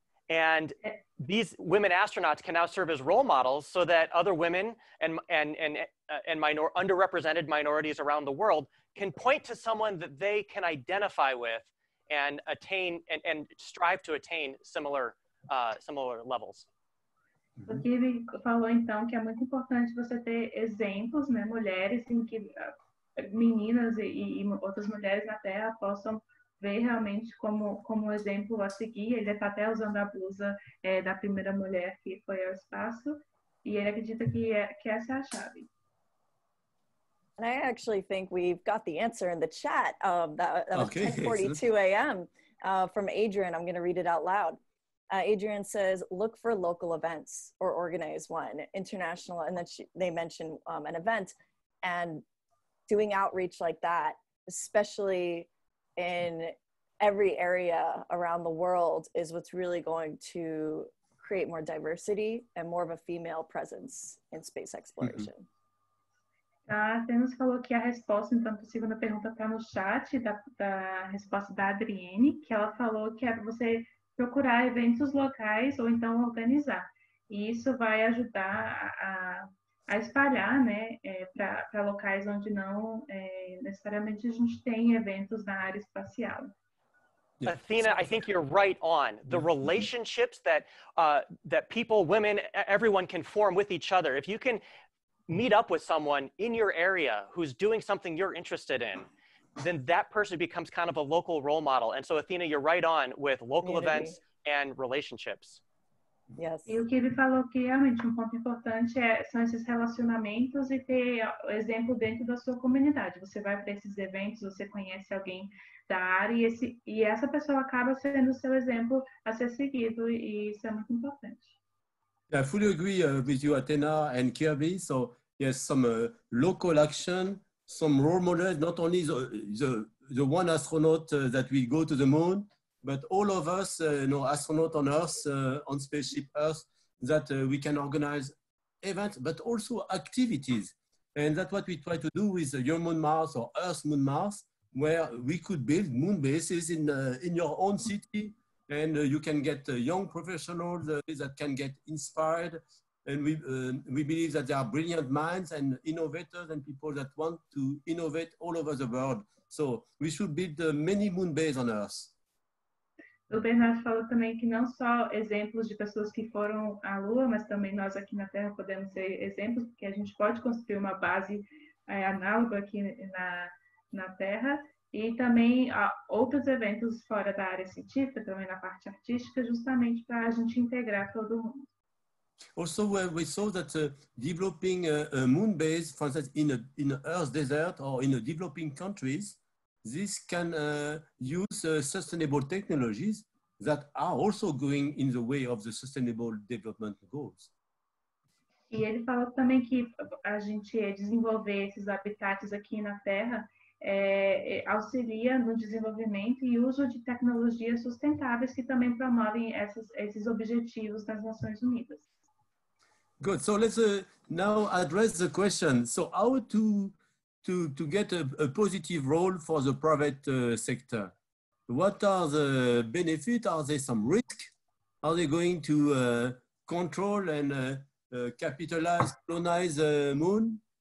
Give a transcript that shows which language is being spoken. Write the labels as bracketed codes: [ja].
[en] And these women astronauts can now serve as role models so that other women and underrepresented minorities around the world can point to someone that they can identify with and attain and strive to attain similar levels. [pt] O Kirby falou, então, que é muito importante você ter exemplos, né, mulheres em que meninas e outras mulheres na Terra possam ver realmente como exemplo a seguir. Ele está até usando a blusa da primeira mulher que foi ao espaço, e ele acredita que essa é a chave. [en] And I actually think we've got the answer in the chat. That was 10:42 a.m. From Adrian. I'm going to read it out loud. Adrian says, look for local events or organize one, international, and then they mention an event, and doing outreach like that, especially in every area around the world is what's really going to create more diversity and more of a female presence in space exploration. Mm-hmm. [pt] A Athena falou que a resposta, então, para a segunda pergunta está no chat, da resposta da Adriene, que ela falou que é você procurar eventos locais ou então organizar. E isso vai ajudar a espalhar, né, para locais onde não necessariamente a gente tem eventos na área espacial. [en] Athena, I think you're right on. The relationships that that people, women, everyone can form with each other. If you can meet up with someone in your area who's doing something you're interested in, then that person becomes kind of a local role model. And so Athena, you're right on with local events and relationships. Yes. [pt] E o que ele falou que realmente um ponto importante são esses relacionamentos e ter o exemplo dentro da sua comunidade. Você vai para esses eventos, você conhece alguém da área e essa pessoa acaba sendo seu exemplo a ser seguido e isso é muito importante. [en] I fully agree with you, Athena and Kirby. So, yes, some local action, some role models, not only the one astronaut that will go to the moon, but all of us, astronauts on Earth, on spaceship Earth, that we can organize events, but also activities. And that's what we try to do with your moon Mars or Earth moon Mars, where we could build moon bases in your own city. And you can get young professionals that can get inspired. And we believe that they are brilliant minds and innovators and people that want to innovate all over the world. So we should build many moon bases on Earth. [pt] O Bernardo falou também que não só exemplos de pessoas que foram à Lua, mas também nós aqui na Terra podemos ser exemplos, porque a gente pode construir uma base análoga aqui na Terra. E também outros eventos fora da área científica, também na parte artística, justamente para a gente integrar todo mundo. [en] Also, we saw that developing a moon base, for instance, in a Earth desert or in a developing countries, this can use sustainable technologies that are also going in the way of the sustainable development goals. [pt] E ele falou também que a gente ia desenvolver esses habitats aqui na Terra auxilia no desenvolvimento e uso de tecnologias sustentáveis que também promovem esses objetivos das Nações Unidas. [en] Good. So let's now address the question. So how to get a positive role for the private sector? What are the benefits? Are there some risk? Are they going to control and capitalize, colonize the moon?